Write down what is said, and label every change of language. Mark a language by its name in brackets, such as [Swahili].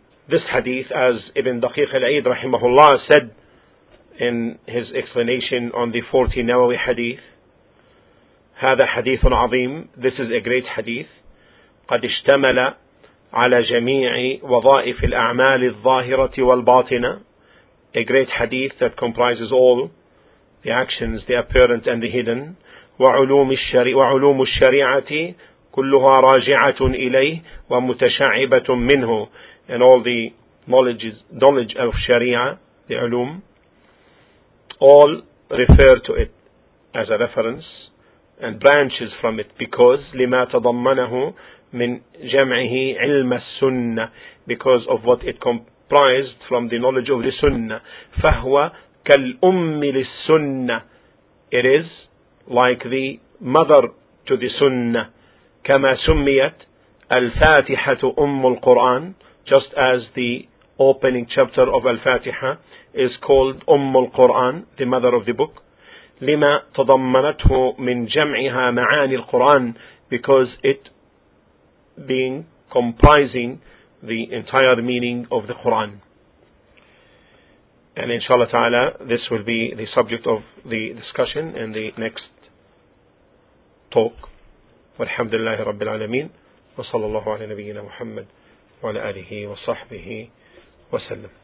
[English] This hadith, as Ibn Daqiq al-Aid rahimahullah said in his explanation on the 40 Nawawi hadith, [Arabic] هذا حديث عظيم. [English] This is a great hadith. [Arabic] قد اشتمل على جميع وظائف الأعمال الظاهرة والباطنة. [English] A great hadith that comprises all the actions, the apparent and the hidden. [Arabic] وعلوم الشريعة كلها راجعة إليه ومتشعبة منه. [English] And all the knowledge of Sharia, the علوم, all refer to it as a reference and branches from it, because [Arabic] لما تضمنه من جمعه علم السنة, [English] because of what it comprised from the knowledge of the Sunnah. [Arabic] فهو كالأم للسنة. [English] It is like the mother to the Sunnah. [Arabic] كما سميت [English] Al-Fatiha to Ummul Quran, just as the opening chapter of Al-Fatiha is called Ummul Quran, the mother of the book. [Arabic] لِمَا تَضَمَّنَتْهُ مِنْ جَمْعِهَا مَعَانِ الْقُرْآنِ, [English] because it being comprising the entire meaning of the Quran. And inshallah ta'ala, this will be the subject of the discussion in the next talk. [Arabic] والحمد لله رب العالمين وصلى الله على نبينا محمد وعلى آله وصحبه وسلم.